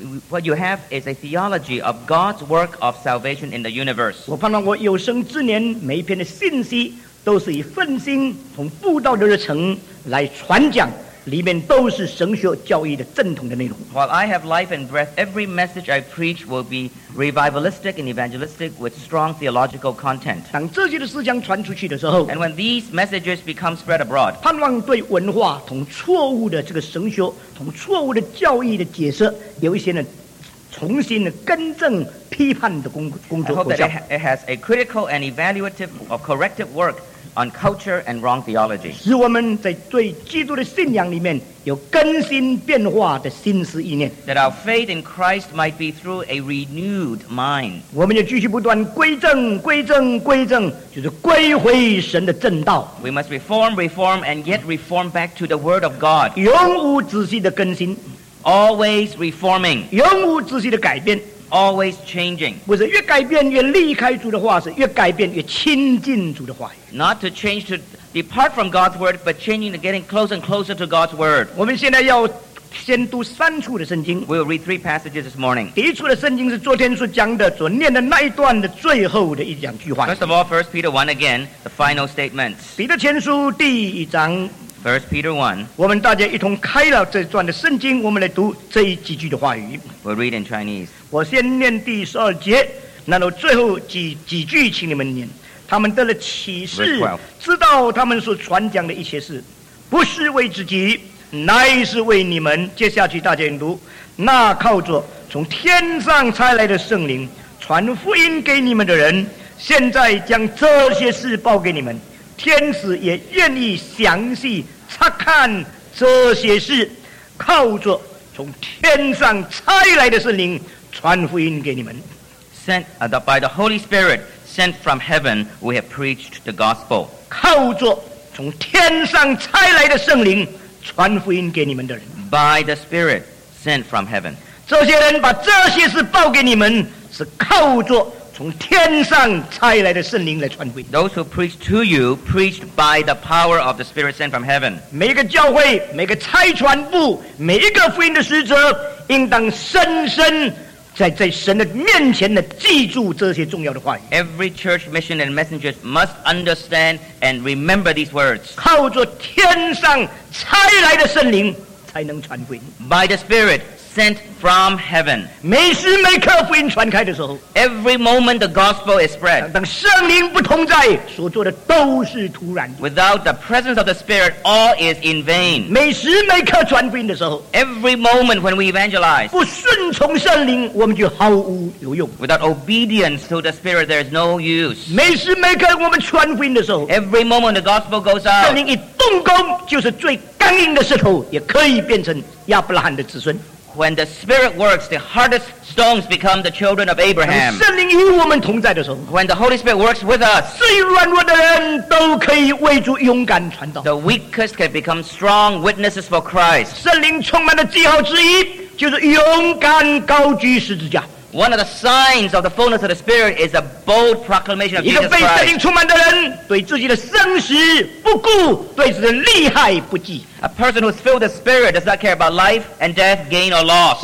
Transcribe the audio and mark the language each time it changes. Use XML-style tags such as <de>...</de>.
<en>What you have is a theology of God's work of salvation in the universe.</en> <zh>我盼望我有生之年每一篇的信息都是以奉心从布道的日程来传讲。里面都是神学教义的正统的内容。</zh> <en>While I have life and breath, every message I preach will be revivalistic and evangelistic with strong theological content.</en> <zh>当这些的思想传出去的时候</zh> <en>，and when these messages become spread abroad,</en> <zh>盼望对文化同错误的这个神学同错误的教义的解释有一些呢重新的更正批判的工作。</zh> <en>I hope that it has a critical and evaluative or corrective work. On culture and wrong theology.</en> <zh>使我们在对基督的信仰里面有更新变化的心思意念。</zh> <en>That our faith in Christ might be through a renewed mind.</en> <zh>我们要继续不断归正，归正，归正，就是归回神的正道。</zh> <en>We must reform, reform, and yet reform back to the Word of God.</en> <zh>永无止息的更新。</zh> <en>Always reforming.</en> <zh>永无止息的改变。</zh> <en>Always changing.</en> <zh>不是越改变越离开主的话，是越改变越亲近主的话语。</zh> <en>Not to change to depart from God's word, but changing to getting closer and closer to God's word.</en> <zh>我们现在要先读三处的圣经。</zh> <en>We'll read three passages this morning.</en> <zh>第一处的圣经是昨天所讲的、所念的那一段的最后的一两句话。</zh> <en>First of all, 1 Peter 1 again, the final statements.</en> <zh>彼得前书第一章。</zh> <en>First Peter 1.</en> <zh>我们大家一同开了这段的圣经，我们来读这几句的话语。</zh> <en>We'll read in Chinese.</en> <zh>我先念第十二节，然后最后几句，请你们念。他们得了启示，知道他们所传讲的一切事，不是为自己，乃是为你们。接下去大家读，那靠着从天上差来的圣灵传福音给你们的人，现在将这些事报给你们。天使也愿意详细查看这些事，靠着从天上差来的圣灵传福音给你们。</zh> <en>By the Holy Spirit sent from heaven, we have preached the gospel.</en> <zh>靠着从天上差来的圣灵传福音给你们的人。</zh> <en>By the Spirit sent from heaven.</en> <zh>这些人把这些事报给你们，是靠着从天上差来的圣灵来传福音。</zh> <en>Those who preach to you preached by the power of the Spirit sent from heaven.</en> <zh>每一个教会，每个差传部，每一个福音的使者，应当深深在神的面前的记住这些重要的话语。</zh> <en>Every church mission and messengers must understand and remember these words.</en> <zh>靠着天上差来的圣灵才能传福音。</zh> <en>By the Spirit sent from heaven.</en> <zh>每时每刻福音传开的时候</zh> <en>，Every moment the gospel is spread.</en> <zh>当圣灵不同在，所做的都是徒然的。</zh> <en>Without the presence of the Spirit, all is in vain.</en> <zh>每时每刻传福音的时候</zh> <en>，Every moment when we evangelize,</en> <zh>不顺从圣灵，我们就毫无有用。</zh> <en>Without obedience to the Spirit, there is no use.</en> <zh>每时每刻我们传福音的时候</zh> <en>，Every moment the gospel goes out,</en> <zh>圣灵一动工，就是最刚硬的石头也可以变成亚伯拉罕的子孙。</zh> <en>When the Spirit works, the hardest stones become the children of Abraham.</en> <zh>圣灵与我们同在的时候</zh> <en>When the Holy Spirit works with us,</en> <zh>最软弱的人都可以为主勇敢传道</zh> <en>The weakest can become strong witnesses for Christ.</en> <zh>圣灵充满的记号之一就是勇敢高举十字架</zh> <en>One of the signs of the fullness of the Spirit is a bold proclamation of Jesus Christ.</en> <zh>一个被圣灵充满的人对自己的生死不顾，对自己的利害不计。</zh> <en>A person who is filled with the Spirit does not care about life and death, gain or loss.</en>